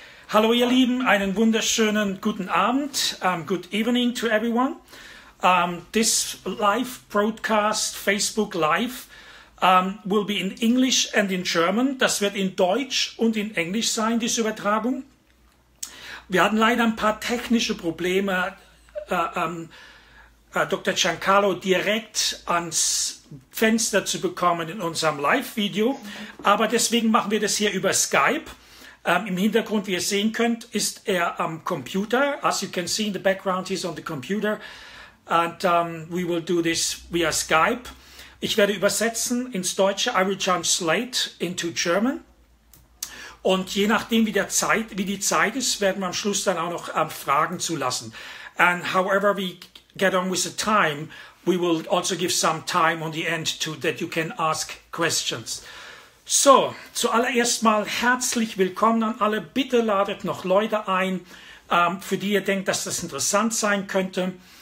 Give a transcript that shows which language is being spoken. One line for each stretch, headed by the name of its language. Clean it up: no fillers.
German: Hallo ihr Lieben, einen wunderschönen guten Abend,
English: good evening to everyone. This live broadcast, Facebook Live, will be in English and in German.
German: Das wird in Deutsch und in Englisch sein, diese Übertragung. Wir hatten leider ein paar technische Probleme, Dr. Giancarlo direkt ans Fenster zu bekommen in unserem Live-Video. Aber deswegen machen wir das hier über Skype. Im Hintergrund, wie ihr sehen könnt, ist er am Computer.
English: As you can see in the background, he's on the computer. And we will do this via Skype.
German: Ich werde übersetzen ins Deutsche.
English: I will translate into German.
German: Und je nachdem, wie die Zeit ist, werden wir am Schluss dann auch noch Fragen zulassen.
English: And however we get on with the time, we will also give some time on the end to that you can ask questions.
German: So, zuallererst mal herzlich willkommen an alle. Bitte ladet noch Leute ein, für die ihr denkt, dass das interessant sein könnte.